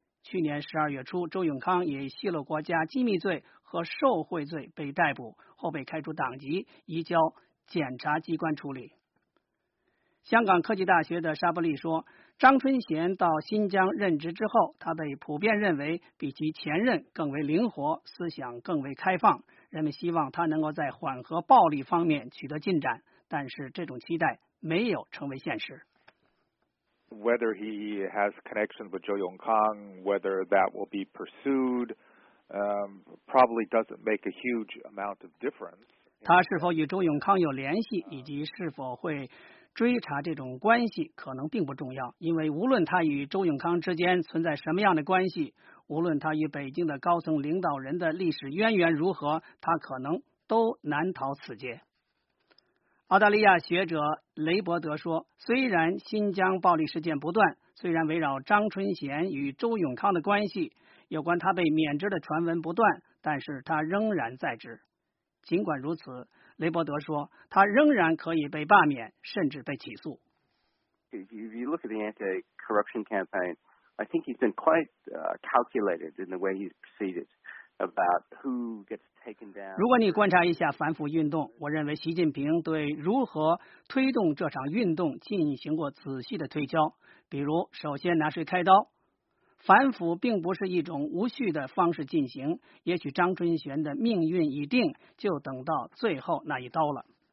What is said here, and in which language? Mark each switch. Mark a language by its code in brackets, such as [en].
[zh] 去年12月初，周永康以泄露国家机密罪和受贿罪被逮捕，后被开除党籍，移交检察机关处理。香港科技大学的沙伯利说，张春贤到新疆任职之后，他被普遍认为比其前任更为灵活，思想更为开放，人们希望他能够在缓和暴力方面取得进展，但是这种期待没有成为现实。 [en] Whether he has connections with Zhou Yongkang, whether that will be pursued, probably doesn't make a huge amount of difference. [zh] 他是否与周永康有联系，以及是否会追查这种关系，可能并不重要，因为无论他与周永康之间存在什么样的关系，无论他与北京的高层领导人的历史渊源如何，他可能都难逃此劫。澳大利亚学者雷伯德说，虽然新疆暴力事件不断，虽然围绕张春贤与周永康的关系，有关他被免职的传闻不断，但是他仍然在职。尽管如此，雷伯德说，他仍然可以被罢免，甚至被起诉。 [en] If you look at the anti-corruption campaign, I think he's been quite calculated in the way he's proceeded. [zh] 如果你观察一下反腐运动，我认为习近平对如何推动这场运动进行过仔细的推敲，比如首先拿谁开刀。反腐并不是一种无序的方式进行，也许张春贤的命运已定，就等到最后那一刀了。